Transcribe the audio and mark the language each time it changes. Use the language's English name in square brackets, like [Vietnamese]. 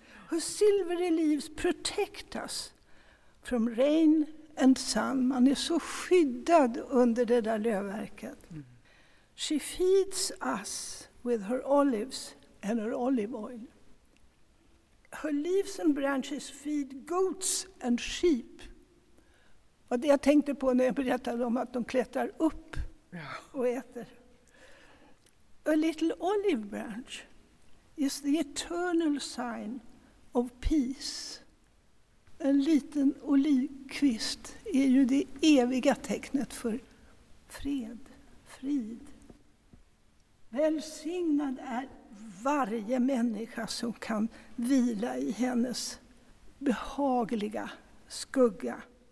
[English] Her silvery leaves protect us from rain and sun. [Swedish] Man är så skyddad under det där lövverket. [English] She feeds us with her olives and her olive oil. Her leaves and branches feed goats and sheep. [Swedish] Och det jag tänkte på när jag berättade om att de klättrar upp och äter. [English] A little olive branch is the eternal sign of peace. [Swedish] En liten olivkvist är ju det eviga tecknet för fred, frid. Välsignad är varje människa som kan vila i hennes behagliga skugga.